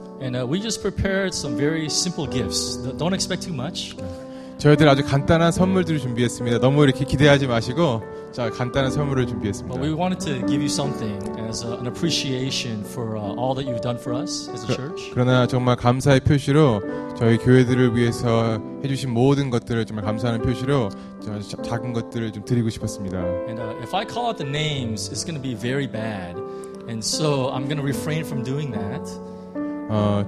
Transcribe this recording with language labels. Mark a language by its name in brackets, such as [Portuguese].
[English] And we just prepared some very simple gifts. Don't expect too much. [Korean] 저희들 아주 간단한 선물들을 준비했습니다. 너무 이렇게 기대하지 마시고 자 간단한 선물을 준비했습니다. [English] But we wanted to give you something as an appreciation for all that you've done for us as a church. [Korean] 그러나 정말 감사의 표시로 저희 교회들을 위해서 해주신 모든 것들을 정말 감사하는 표시로 작은 것들을 좀 드리고 싶었습니다. [English] And if I call out the names, it's going to be very bad. And so I'm going to refrain from doing that.